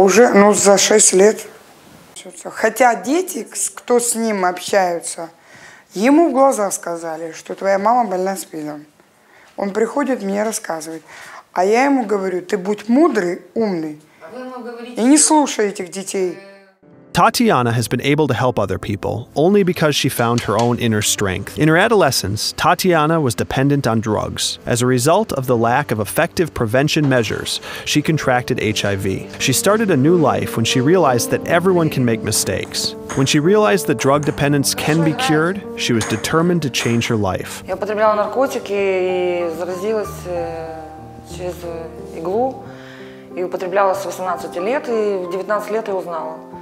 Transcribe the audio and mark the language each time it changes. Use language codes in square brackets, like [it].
[ru] Уже, ну, за 6 лет. Хотя дети, кто с ним общаются, ему в глаза сказали, что твоя мама больна спидом. Он приходит мне рассказывать. А я ему говорю, ты будь мудрый, умный. И не слушай этих детей. [en] Tatiana has been able to help other people only because she found her own inner strength. In her adolescence, Tatiana was dependent on drugs. As a result of the lack of effective prevention measures, she contracted HIV. She started a new life when she realized that everyone can make mistakes. When she realized that drug dependence can be cured, she was determined to change her life. [ru] Я потребляла наркотики и заразилась через иглу. И употребляла с 18 лет, и в 19 лет я узнала.